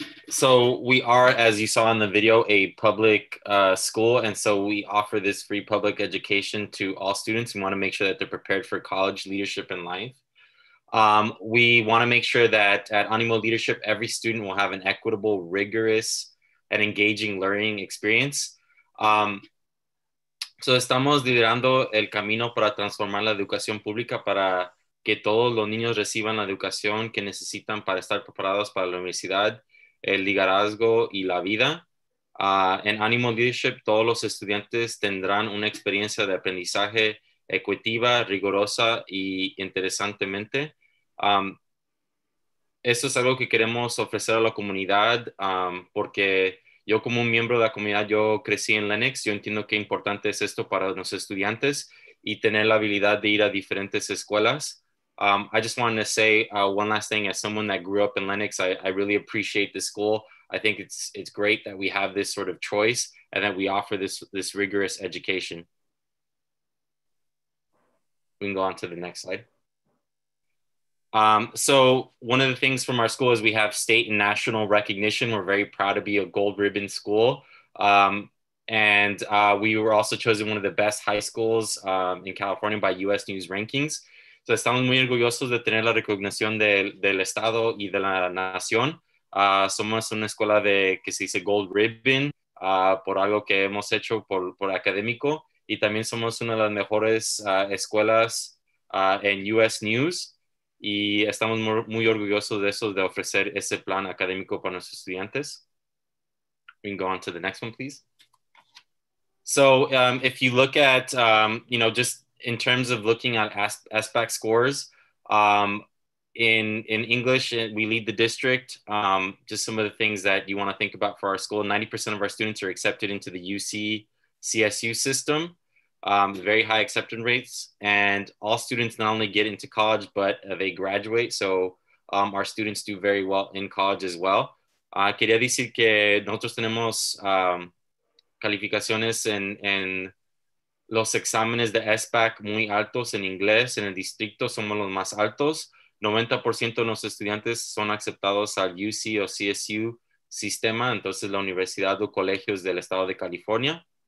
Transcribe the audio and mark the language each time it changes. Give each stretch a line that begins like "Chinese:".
English: So we are, as you saw in the video, a public school, and so we offer this free public education to all students. We want to make sure that they're prepared for college, leadership, and life. We want to make sure that at Animo Leadership, every student will have an equitable, rigorous, and engaging learning experience.
Spanish: So estamos liderando el camino para transformar la educación pública para que todos los niños reciban la educación que necesitan para estar preparados para la universidad, el liderazgo y la vida. En Animo Leadership, todos los estudiantes tendrán una experiencia de aprendizaje equitativa, rigurosa y interesantemente. Eso es algo que queremos ofrecer a la comunidad, porque yo como un miembro de la comunidad, yo crecí en Lenox, yo entiendo qué importante es esto para los estudiantes y tener la habilidad de ir a diferentes escuelas.
English: I just wanted to say one last thing. As someone that grew up in Lenox, I really appreciate the school. I think it's great that we have this sort of choice and that we offer this rigorous education. We can go on to the next slide. So one of the things from our school is we have state and national recognition. We're very proud to be a gold ribbon school. And we were also chosen one of the best high schools in California by US News Rankings.
Spanish: So estamos muy orgullosos de tener la recognición del Estado y de la nación. Somos una escuela de que se dice gold ribbon por algo que hemos hecho por académico. Y también somos una de las mejores escuelas en US News. Y estamos muy orgullosos de eso, de ofrecer ese plan académico para nuestros estudiantes.
English: We can go on to the next one, please. So if you look at, just in terms of looking at SBAC scores, in English, we lead the district. Just some of the things that you want to think about for our school. 90% of our students are accepted into the UC CSU system. Very high acceptance rates, and all students not only get into college, but they graduate. So our students do very well in college as well.
Spanish: Quería decir que nosotros tenemos calificaciones en los exámenes de SBAC muy altos en inglés. En el distrito somos los más altos. 90% de los estudiantes son aceptados al UC o CSU sistema, entonces la universidad o colegios del estado de California.